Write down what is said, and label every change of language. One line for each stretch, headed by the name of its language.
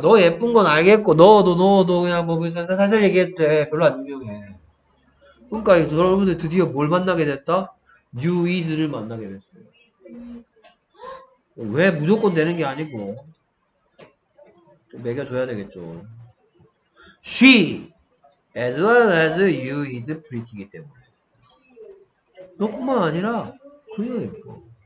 Korean: 너 예쁜 건 알겠고, 너 그냥 뭐 살살 얘기해도 돼. 별로 안 유명해. 그러니까 여러분들 드디어 뭘 만나게 됐다?
English: You is
Korean: 를 만나게 됐어요. 왜 무조건 되는 게 아니고 좀 매겨줘야 되겠죠.
English: She as well as you is pretty
Korean: 이기 때문에. 너뿐만 아니라 그녀 예뻐.